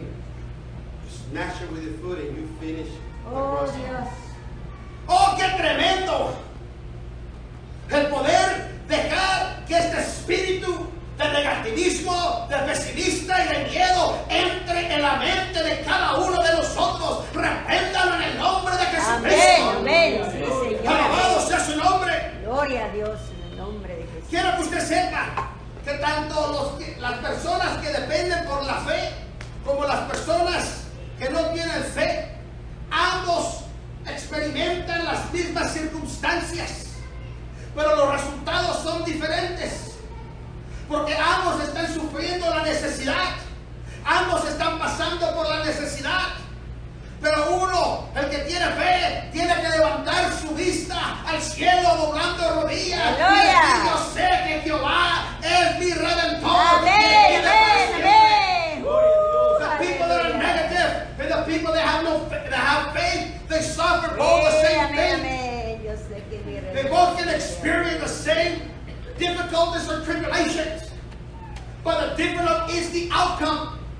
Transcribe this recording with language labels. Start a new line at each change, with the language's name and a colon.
English: You snatch it with your foot and you finish the grasshopper.
Spanish: ¡Oh, qué tremendo! El poder dejar que este espíritu de negativismo, de pesimista y de miedo entre en la mente de cada uno de nosotros. Repéntalo en el nombre de Jesucristo. Amén, amén. Alabado sea su nombre. Gloria a Dios en el nombre de Jesús. Quiero que usted sepa que tanto las personas que dependen por la fe como las personas que no tienen fe, ambos experimentan las mismas circunstancias, pero los resultados son diferentes. Porque ambos están sufriendo la necesidad. Ambos están pasando por la necesidad. Pero uno, el que tiene fe, tiene que levantar su vista al cielo doblando rodillas. ¡Aleluya! Y decir, yo sé que Jehová es mi redentor. ¡Amén! ¡Amén! ¡Amén!
English: The people that are negative and the people that have no faith, that have faith, they suffer both the same thing.
Spanish: Amén, amén.
English: They both can experience the same difficulties or tribulations, but the difference is the outcome.